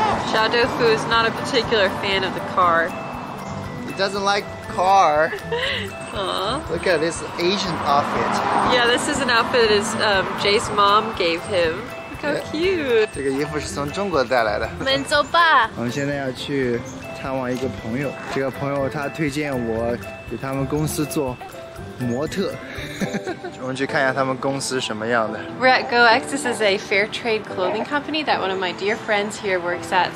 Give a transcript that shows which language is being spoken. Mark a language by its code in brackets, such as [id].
[en] Shadowfu is not a particular fan of the car. He doesn't like car. Look at this Asian outfit. Yeah, this is an outfit that is, Jay's mom gave him. How cute！ [zh] 这个衣服是从中国带来的。我们走吧。我们现在要去探望一个朋友，这个朋友他推荐我给他们公司做模特。我们去看一下他们公司什么样的。 [en] We're at GoX. This is a fair trade clothing company that one of my dear friends here works at.